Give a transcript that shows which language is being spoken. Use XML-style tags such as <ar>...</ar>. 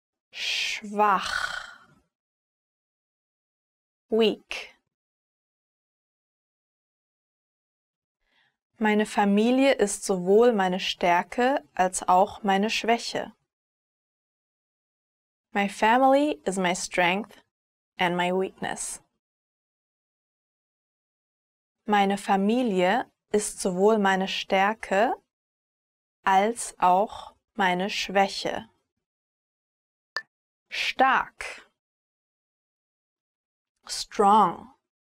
<de>Schwach.</de> <en>Weak.</en> <de>Meine Familie ist sowohl meine Stärke als auch meine Schwäche.</de> <en>My family is my strength and my weakness.</en> <de>Meine Familie ist sowohl meine Stärke als auch meine Schwäche. Stark.</de> <en>Strong.</en>